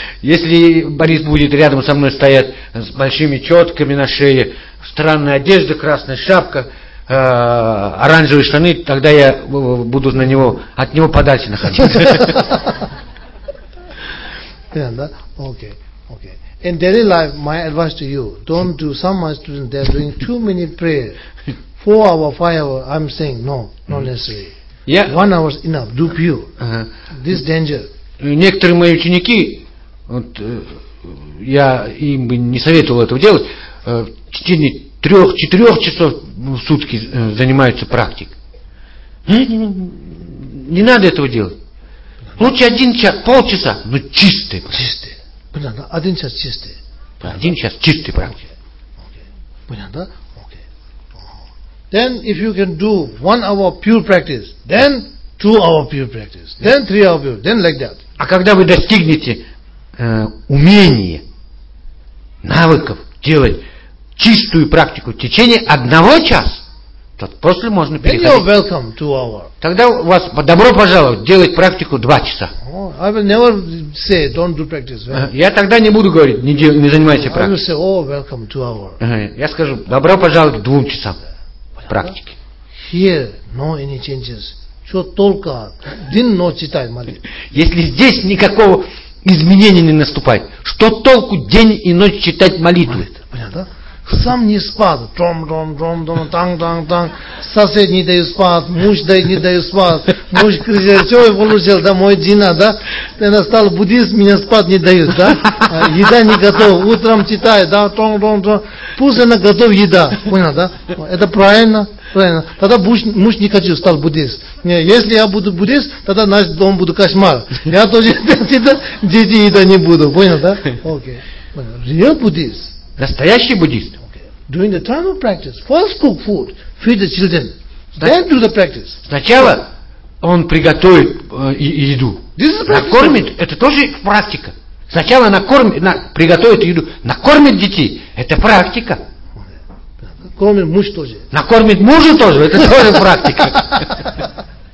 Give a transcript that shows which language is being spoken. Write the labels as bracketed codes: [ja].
[ru] Если Борис будет рядом со мной стоять с большими четками на шее, странная одежда, красная шапка, оранжевые штаны, тогда я буду на него, от него подальше находиться. [en] Yeah, that? Okay, okay. In daily life, my advice to you: don't do. Some of my students, they are doing too many prayers, 4 hours, 5 hours. I'm saying no, not necessary. Yeah. 1 hour is enough. Do few. This danger. [ru] Некоторые мои ученики, вот я им бы не советовал этого делать. В течение 3-4 часов в сутки занимаются практикой. Не надо этого делать. Лучше 1 час, 30 минут, но чистый. Чистый. Понятно? 1 час чистый. Один час чистый практик. [en] Okay. [ru] Понятно, да? [en] Okay. Then if you can do 1 hour pure practice, then 2 hour pure practice, then 3 hour pure, then like that. [ru] А когда вы достигнете умения, навыков делать чистую практику в течение 1 часа, то после можно переходить. [en] You're welcome, 2 hour. [ru] Тогда у вас добро пожаловать делать практику 2 часа. [en] Oh, I will never say, don't do practice. [ru] Я тогда не буду говорить, не занимайся практикой. [en] I will say, oh, welcome, 2 hour. [ru] Я скажу, добро пожаловать 2 часам практики. [en] Here, no any changes. [ru] Что только день, но читай молитвы. Если здесь никакого изменения не наступает, что толку день и ночь читать молитвы? Понятно? Сам не спал, дром-дром-дром-дром, танг-танг-танг, сосед не дает спать, муж дает, не дает спать, муж кричит, что я получил, да, мой Дина, да, ты настал буддист, меня спать не дают, да, еда не готова, утром читаю, да, дром-дром-дром, пусть она готова еда, понял, да, это правильно, правильно, тогда муж не хочу, стал буддист, нет, если я буду буддист, тогда наш дом будет кошмар, я тоже, дети еда не буду, понял, да, окей, real буддист. Настоящий буддист. [en] Okay. During the time of practice, first cook food, feed the children, then do the practice. [ru] Сначала он приготовит еду. [en] This is practice. [ru] Накормит, это тоже практика. Сначала приготовит еду, накормит детей, это практика. Кормит муж тоже. Накормит мужа тоже, это тоже практика.